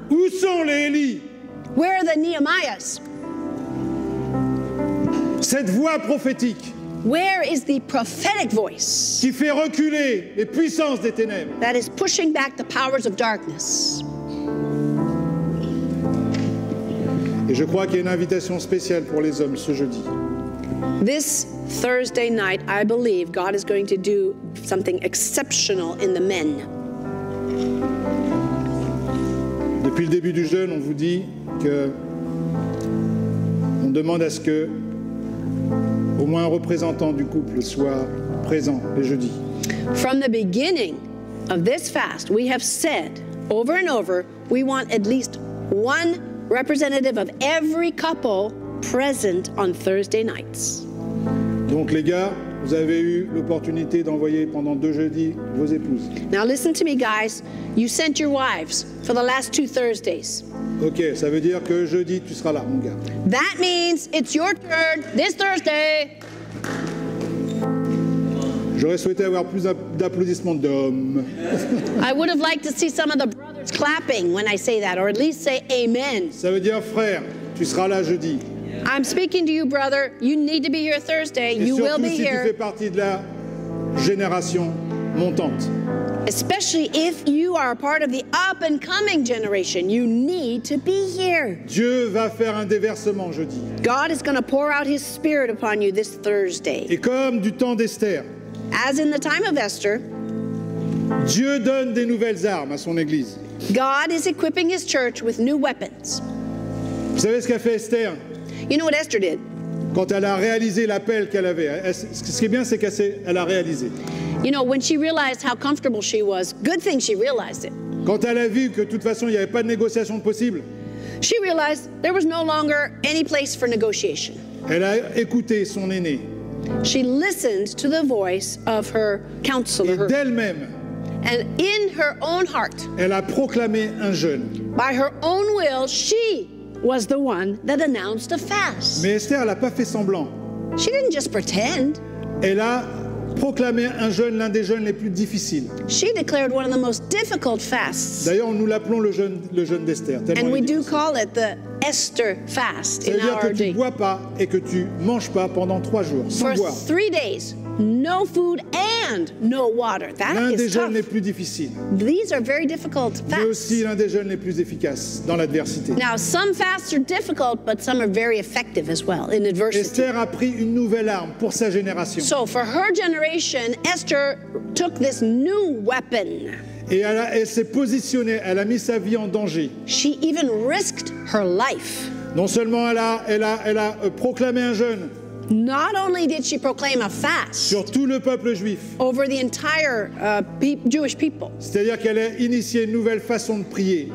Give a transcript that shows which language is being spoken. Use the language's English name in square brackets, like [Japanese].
[French] Où sont les Élie? [English] Where are the Nehemiahs? [French] Cette voix prophétique. [English] Where is the prophetic voice? [French] Qui fait reculer les puissances des ténèbres. [English] That is pushing back the powers of darkness. [French] Et je crois qu'il y a une invitation spéciale pour les hommes ce jeudi. [English] This Thursday night, I believe God is going to do something exceptional in the men. [French] Depuis le début du jeûne, on vous dit que on demande à ce que au moins un représentant du couple soit présent le jeudi. [English] From the beginning of this fast, we have said over and over, we want at least one representative of every couple present on Thursday nights. [French] Donc les gars, vous avez eu l'opportunité d'envoyer pendant deux jeudis vos épouses. [English] Now listen to me guys, you sent your wives for the last two Thursdays. [French] OK, ça veut dire que jeudi tu seras là mon gars. [English] That means it's your turn this Thursday. [French] J'aurais souhaité avoir plus d'applaudissements d'hommes. [English] I would have liked to see some of the brothers clapping when I say that, or at least say amen. [French] Ça veut dire frère, tu seras là jeudi. [English] I'm speaking to you brother, you need to be here Thursday. [French] Et [English] you will be [French] si [English] here. [French] Tu fais partie de la génération montante. [English] Especially if you are a part of the up-and-coming generation, you need to be here. [French] Dieu va faire un déversement jeudi. [English] God is going to pour out His Spirit upon you this Thursday. [French] Et comme du temps d'Esther, [English] as in the time of Esther, [French] Dieu donne des nouvelles armes à son église. [English] God is equipping His church with new weapons. [French] Vous savez ce qu'a fait Esther? [English] You know what Esther did? [French] Quand elle a réalisé l'appel qu'elle avait, ce qui est bien, c'est qu'elle a réalisé. [English] You know, when she realized how comfortable she was, good thing she realized it. [French] Quand elle a vu que de toute façon il n'y avait pas de négociation possible, [English] she realized there was no longer any place for negotiation. [French] Elle a écouté son aîné. [English] She listened to the voice of her counselor. [French] Et d'elle-même, [English] and in her own heart, [French] elle a proclamé un jeûne. [English] By her own will, she was the one that announced a fast. [French] Mais Esther, elle a pas fait semblant. [English] She didn't just pretend. [French] Elle a proclamé un jeûne, l'un des jeûnes les plus difficiles. [English] She declared one of the most difficult fasts. [French] D'ailleurs, nous l'appelons le jeûne d'Esther. [English] And we do call it the Esther fast in our day. [French] C'est-à-dire que tu ne bois pas et que tu manges pas pendant trois jours sans boire. [English] For 3 days, no food and no water. That is tough. [French] L'un des jeûnes les plus difficiles. [English] These are very difficult fasts. [French] Mais aussi l'un des jeûnes les plus efficaces dans l'adversité. [English] Now, some fasts are difficult, but some are very effective as well in adversity. [French] Esther a pris une nouvelle arme pour sa génération. [English] So for her generation, Esther took this new weapon. [French] Et elle s'est positionnée, elle a mis sa vie en danger. [English] She even risked her life. [French] Non seulement elle a proclamé un jeûne. [English] Not only did she proclaim a fast. [French] Sur tout le peuple juif. [English] Over the entire Jewish people. [French] C'est-à-dire qu'elle a initié une nouvelle façon de prier.